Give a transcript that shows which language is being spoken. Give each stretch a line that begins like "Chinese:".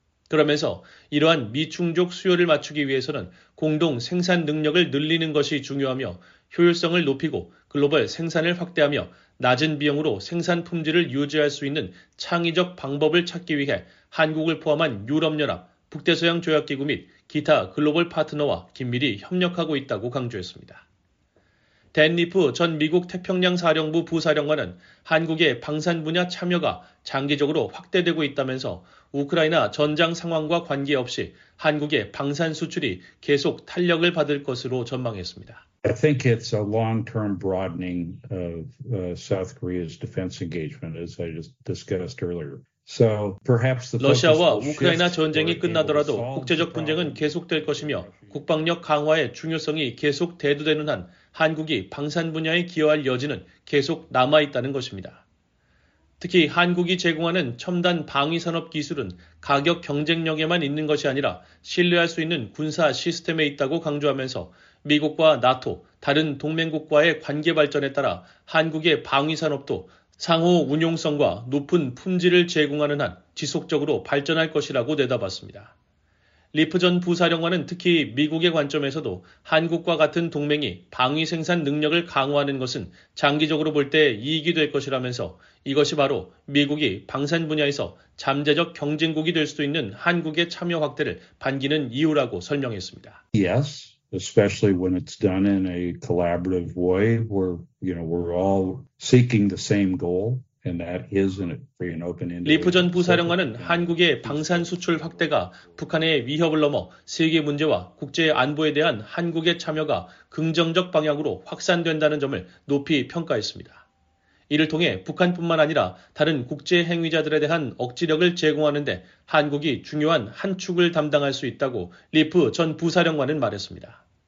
Korean: 그러면서 이러한 미중족 수요를 맞추기 위해서는 공동 생산 능력을 늘리는 것이 중요하며 효율성을 높이고 글로벌 생산을 확대하며 낮은 비용으로 생산 품질을 유지할 수 있는 창의적 방법을 찾기 위해 한국을 포함한 유럽연합, 북대서양 조약기구 및 기타 글로벌 파트너와 긴밀히 협력하고 있다고 강조했습니다. 댄 리프 전 미국 태평양 사령부 부사령관은 한국의 방산 분야 참여가 장기적으로 확대되고 있다면서 우크라이나 전장 상황과 관계없이 한국의 방산 수출이 계속 탄력을 받을 것으로 전망했습니다.
English: I think it's a long-term broadening of South Korea's defense engagement as I just discussed earlier. So perhaps the
Korean: 러시아와 우크라이나 전쟁이 끝나더라도 국제적 분쟁은 계속될 것이며 국방력 강화의 중요성이 계속 대두되는 한 한국이 방산 분야에 기여할 여지는 계속 남아있다는 것입니다. 특히 한국이 제공하는 첨단 방위산업 기술은 가격 경쟁력에만 있는 것이 아니라 신뢰할 수 있는 군사 시스템에 있다고 강조하면서 미국과 나토, 다른 동맹국과의 관계 발전에 따라 한국의 방위산업도 상호 운용성과 높은 품질을 제공하는 한 지속적으로 발전할 것이라고 내다봤습니다. 리프 전 부사령관은 특히 미국의 관점에서도 한국과 같은 동맹이 방위 생산 능력을 강화하는 것은 장기적으로 볼 때 이익이 될 것이라면서 이것이 바로 미국이 방산 분야에서 잠재적 경쟁국이 될 수도 있는 한국의 참여 확대를 반기는 이유라고 설명했습니다.
English: Yes, especially when it's done in a collaborative way where, you know, we're all seeking the same goal.
Korean: 리프 전 부사령관은 한국의 방산 수출 확대가 북한의 위협을 넘어 세계 문제와 국제 안보에 대한 한국의 참여가 긍정적 방향으로 확산된다는 점을 높이 평가했습니다. 이를 통해 북한뿐만 아니라 다른 국제 행위자들에 대한 억지력을 제공하는 데 한국이 중요한 한 축을 담당할 수 있다고 리프 전 부사령관은 말했습니다.